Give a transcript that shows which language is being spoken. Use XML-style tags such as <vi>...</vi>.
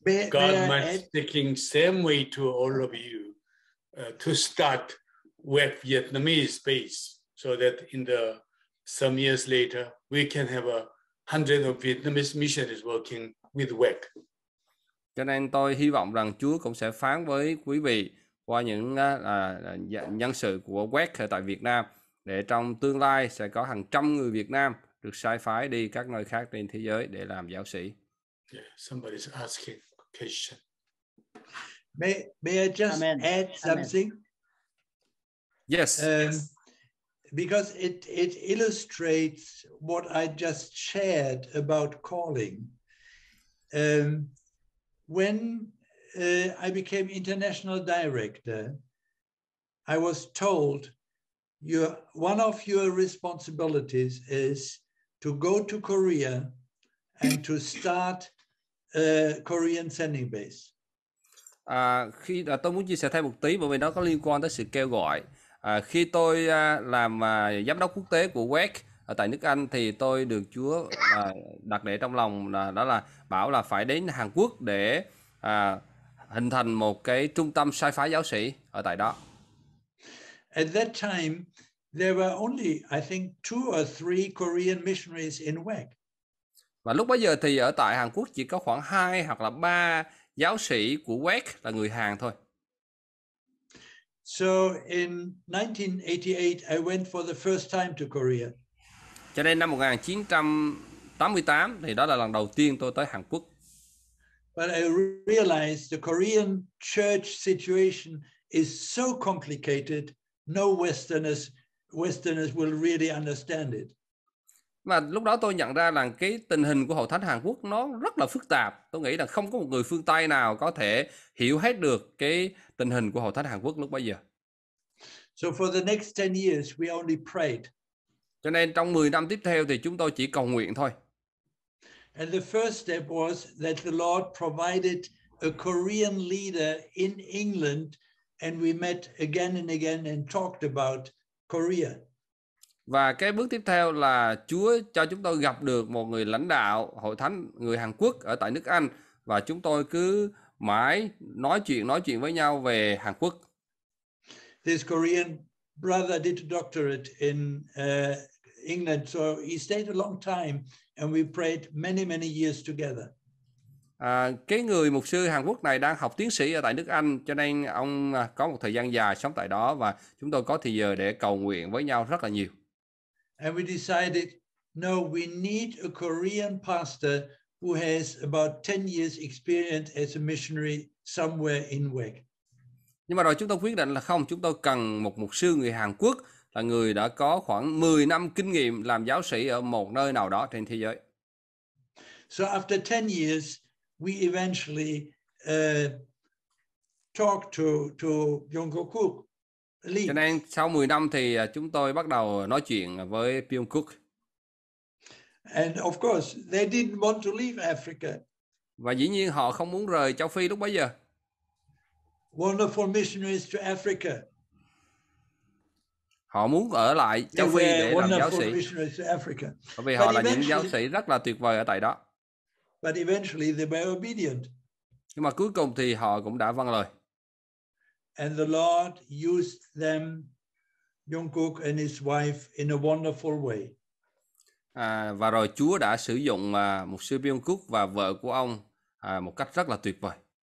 <en>God might speaking same way to all of you to start with Vietnamese base. So that in the some years later we can have 100 of Vietnamese missionaries working with WEC.</en> <vi>Cho nên tôi hy vọng rằng Chúa cũng sẽ phán với quý vị qua những nhân sự của WEC tại Việt Nam để trong tương lai sẽ có hàng trăm người Việt Nam được sai phái đi các nơi khác trên thế giới để làm giáo sĩ.</vi> <en>Yeah, somebody is asking a question. May I just add something? Yes. Because it illustrates what I just shared about calling. When I became international director, I was told one of your responsibilities is to go to Korea and to start a Korean sending base.</en> <vi>Khi tôi muốn chia sẻ thêm một tí bởi vì nó có liên quan tới sự kêu gọi. Khi tôi làm giám đốc quốc tế của WEC ở tại nước Anh thì tôi được Chúa đặt để trong lòng là đó là bảo là phải đến Hàn Quốc để hình thành một cái trung tâm sai phái giáo sĩ ở tại đó.</vi> <en>At that time, there were only, I think, two or three Korean missionaries in WEC.</en> <vi>Và lúc bấy giờ thì ở tại Hàn Quốc chỉ có khoảng 2 hoặc là 3 giáo sĩ của WEC là người Hàn thôi.</vi> <en>So in 1988, I went for the first time to Korea.</en> <vi>Cho nên năm 1988 thì đó là lần đầu tiên tôi tới Hàn Quốc.</vi> <en>But I realized the Korean church situation is so complicated, no Westerners will really understand it.</en> <vi>Mà lúc đó tôi nhận ra là cái tình hình của Hội Thánh Hàn Quốc nó rất là phức tạp. Tôi nghĩ là không có một người phương Tây nào có thể hiểu hết được cái tình hình của Hội Thánh Hàn Quốc lúc bấy giờ.</vi> <en>So for the next 10 years, we only prayed.</en> <vi>Cho nên trong 10 năm tiếp theo thì chúng tôi chỉ cầu nguyện thôi.</vi> <en>And the first step was that the Lord provided a Korean leader in England and we met again and again and talked about Korea.</en> <vi>Và cái bước tiếp theo là Chúa cho chúng tôi gặp được một người lãnh đạo hội thánh người Hàn Quốc ở tại nước Anh và chúng tôi cứ mãi nói chuyện với nhau về Hàn Quốc.</vi> <en>This Korean brother did a doctorate in England, so he stayed a long time and we prayed many years together.</en> <vi>Cái người mục sư Hàn Quốc này đang học tiến sĩ ở tại nước Anh cho nên ông có một thời gian dài sống tại đó và chúng tôi có thời giờ để cầu nguyện với nhau rất là nhiều.</vi> <en>And we decided, no, we need a Korean pastor who has about 10 years experience as a missionary somewhere in WEC.</en> <vi>Nhưng mà rồi chúng tôi quyết định là không, chúng tôi cần một mục sư người Hàn Quốc là người đã có khoảng 10 năm kinh nghiệm làm giáo sĩ ở một nơi nào đó trên thế giới.</vi> <en>So after 10 years, we eventually talked to Jungkook.</en> <vi>Cho nên sau 10 năm thì chúng tôi bắt đầu nói chuyện với Jungkook.</vi> <en>And of course, they didn't want to leave Africa.</en> <vi>Và dĩ nhiên họ không muốn rời châu Phi lúc bấy giờ.</vi> <en>Wonderful missionaries to Africa.</en> <vi>Họ muốn ở lại châu Phi để làm giáo sĩ. Bởi vì họ là những giáo sĩ rất là tuyệt vời ở tại đó.</vi> <en>But eventually they were obedient.</en> <vi>Nhưng mà cuối cùng thì họ cũng đã vâng lời.</vi> <en>And the Lord used them, Jungkook and his wife, in a wonderful way.</en> <vi>Và rồi Chúa đã sử dụng mục sư Jungkook và vợ của ông một cách rất là tuyệt vời.</vi>